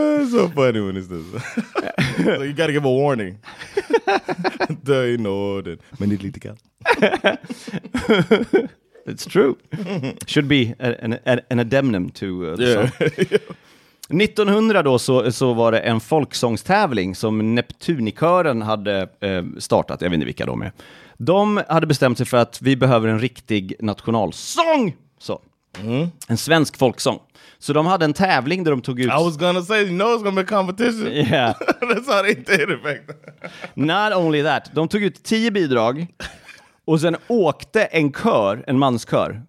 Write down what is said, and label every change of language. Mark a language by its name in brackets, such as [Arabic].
[English] So funny when he says that. So you gotta give a warning. [Swedish] Dö i Norden, men det är lite kallt. [English] It's true. Should be an addendum to the song. [Swedish] 1900 då så var det en folksångstävling som Neptunikören hade startat. Jag vet inte vilka de är. De hade bestämt sig för att vi behöver en riktig nationalsång. Så. En svensk folksång. Så de hade en tävling där de tog ut... [English] I was gonna say, you know it's gonna be a competition. Yeah. That's how they did it back then. Not only that. [Swedish] De tog ut 10 bidrag. Och sen åkte en kör, en manskör.